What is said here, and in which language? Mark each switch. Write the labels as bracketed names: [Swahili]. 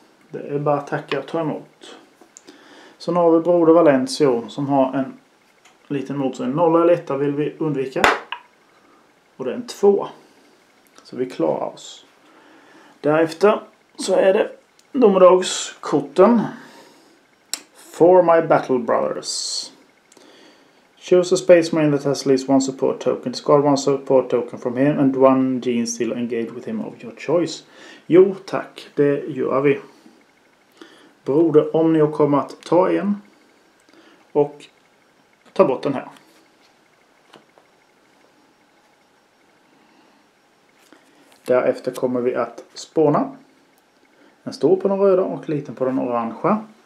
[Swedish] Det är bara att tacka och ta emot. Så nu har vi Broder Valencio som har en liten motstånd. 0 eller 1 vill vi undvika. Och det är en 2. Så vi klarar oss. Därefter så är det domedagskorten. [English] For my battle brothers. Choose a space marine that has at least one support token. Discard one support token from him and one gene still engage with him of your choice. [Swedish] Jo, tack. Det gör vi. Broder Omnio kommer att ta igen. Och ta bort den här. Därefter kommer vi att spåna. En stor på den röda och liten på den orangea.